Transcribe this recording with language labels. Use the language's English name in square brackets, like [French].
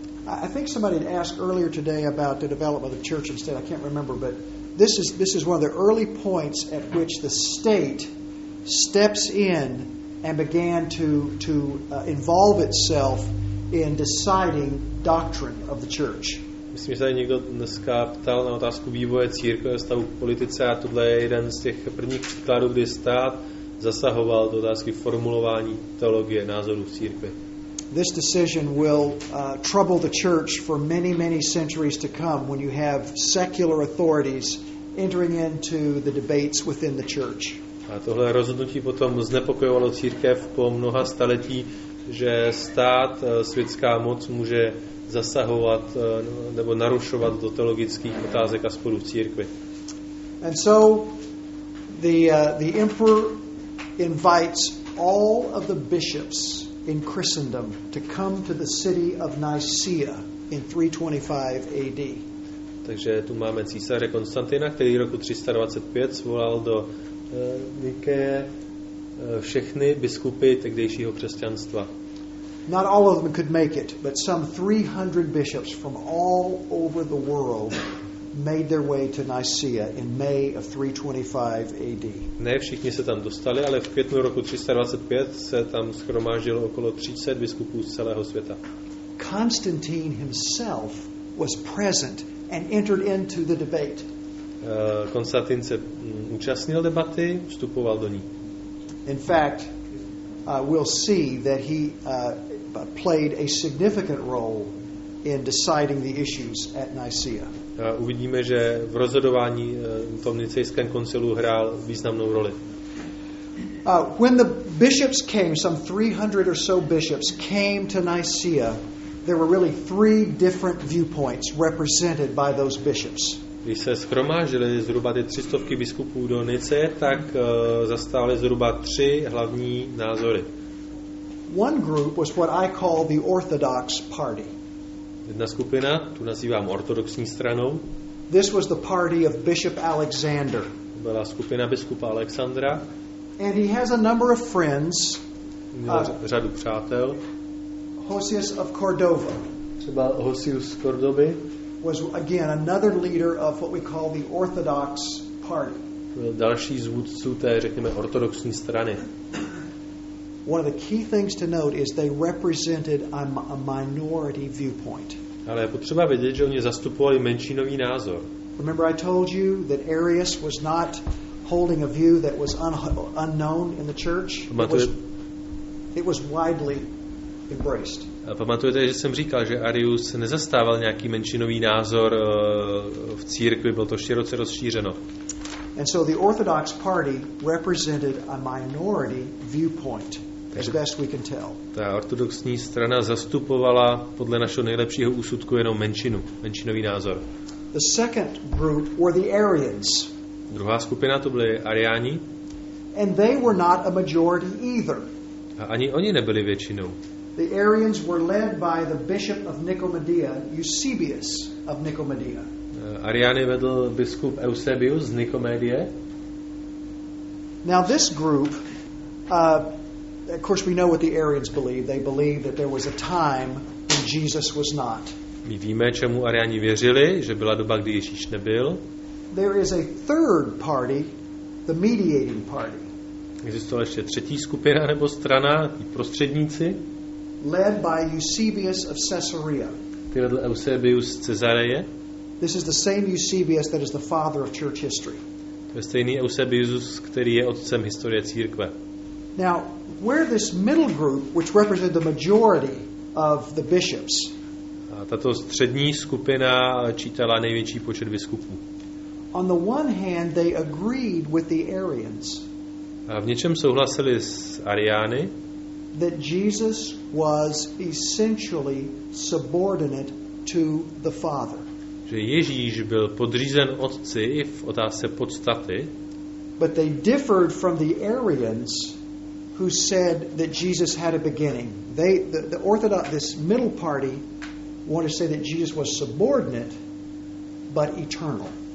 [English] I think somebody had asked earlier today about the development of the church and state. I can't remember, but this is one of the early points at which the state steps in and began to involve itself in deciding doctrine of the church. [Czech] Myslím, že tady někdo dneska ptal na otázku vývoje církve ve vztahu k politice, a tohle je jeden z těch prvních příkladů, kdy stát zasahoval do otázky formulování teologie názorů v církvi. [English] This decision will trouble the church for many, many centuries to come when you have secular authorities entering into the debates within the church. [Czech] A tohle rozhodnutí potom znepokojovalo církev po mnoha staletí, že stát, světská moc může zasahovat nebo narušovat do teologických otázek a sporů v církvi. [English] And so the emperor invites all of the bishops in Christendom to come to the city of Nicaea in 325 AD. [Czech] Takže tu máme císaře Konstantina, který roku 325 svolal do Nikeje všechny biskupy tehdejšího křesťanstva. [English] Not all of them could make it, but some 300 bishops from all over the world made their way to Nicaea in May of 325 AD. [Czech] Ne všichni se tam dostali, ale v květnu roku 325 se tam shromáždilo okolo 300 biskupů z celého světa. [English] Constantine himself was present and entered into the debate. [Czech] Konstantin se účastnil debaty, vstupoval do ní. [English] In fact, we'll see that he played a significant role in deciding the issues at Nicaea. [Czech] Uvidíme, že v rozhodování tom nicejském koncilu hrál významnou roli. [English] When the bishops came, some 300 or so bishops came to Nicaea, there were really three different viewpoints represented by those bishops. [Czech] Když se shromážili zhruba ty 300 biskupů do Nice, tak zastávali zhruba tři hlavní názory. [English] One group was what I call the Orthodox Party. [Czech] Jedna skupina, tu nazývám ortodoxní stranou. [English] This was the party of Bishop Alexander. [Czech] Byla skupina biskupa Alexandra. [English] And he has a number of friends. [Czech] Měl řadu přátel. [English] Hosius of Cordova. [Czech] Třeba Hosius z Cordoby. [English] Was again another leader of what we call the Orthodox Party. [Czech] Byl další z vůdců té, řekněme, ortodoxní strany. [English] One of the key things to note is they represented a minority viewpoint. [Czech] Ale je potřeba vědět, že oni zastupovali menšinový názor. [English] Remember I told you that Arius was not holding a view that was unknown in the church? It was widely embraced. [Czech] Pamatujete, že jsem říkal, že Arius nezastával nějaký menšinový názor v církvi, byl to široce rozšířeno. [English] And so the Orthodox Party represented a minority viewpoint. As best we can tell. [Czech] Ta ortodoxní strana zastupovala podle našeho nejlepšího úsudku jenom menšinu, menšinový názor. [English] The second group were the Arians. [Czech] Druhá skupina to byli Ariáni. [English] And they were not a majority either. [Czech] A ani oni nebyli většinou. [English] The Arians were led by the bishop of Nicomedia, Eusebius of Nicomedia. [Czech] Ariány vedl biskup Eusebius z Nicomedie. [English] Now this group of course, we know what the Arians believe. They believe that there was a time when Jesus was not. [Czech] My víme, čemu Ariáni věřili, že byla doba, kdy Ježíš nebyl. [English] There is a third party, the mediating party. [Czech] Existovala ještě třetí skupina nebo strana, ty prostředníci. [English] Led by Eusebius of Caesarea. [Czech] Ty vedl Eusebius z Cezareje. [English] This is the same Eusebius that is the father of church history. [Czech] To je stejný Eusebius, který je otcem historie církve. [English] Now, where this middle group, which represented the majority of the bishops, [Czech] tato střední skupina čítala největší počet biskupů. [English] On the one hand, they agreed with the Arians. [Czech] A v něčem souhlasili s Ariány. [English] That Jesus was essentially subordinate to the Father. [Czech] Že Ježíš byl podřízen Otci v otázce podstaty. [English] But they differed from the Arians, who said that Jesus had a beginning. The Orthodox, this middle party, wanted to say that Jesus was subordinate, but eternal.